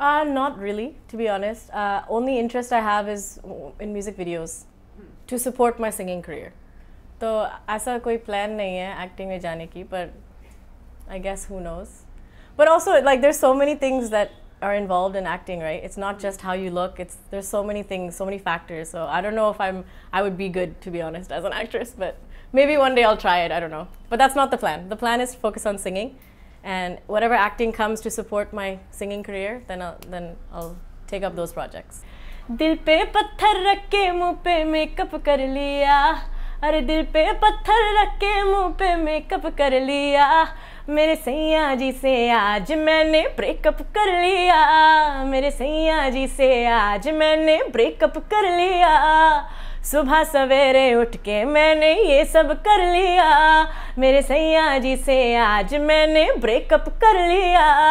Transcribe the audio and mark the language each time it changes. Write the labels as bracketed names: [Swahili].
[English] not really to be honest only interest I have is in music videos to support my singing career [Hindi] तो ऐसा कोई plan नहीं है acting में जाने की [English] But I guess who knows but also like there so many things that are involved in acting, right? It's not just how you look, it's there's so many things, so many factors. So I don't know if I would be good, to be honest, as an actress, but maybe one day I'll try it, I don't know. But that's not the plan. The plan is to focus on singing, and whatever acting comes to support my singing career, then I'll take up those projects. [Hindi] Dil pe patthar rakke muh pe makeup kar liya are dil pe patthar rakke muh pe makeup kar liya मेरे सैया जी से आज मैंने breakup कर लिया मेरे सैया जी से आज मैंने ब्रेकअप कर लिया सुबह सवेरे उठ के मैंने ये सब कर लिया मेरे सैया जी से आज मैंने ब्रेकअप कर लिया.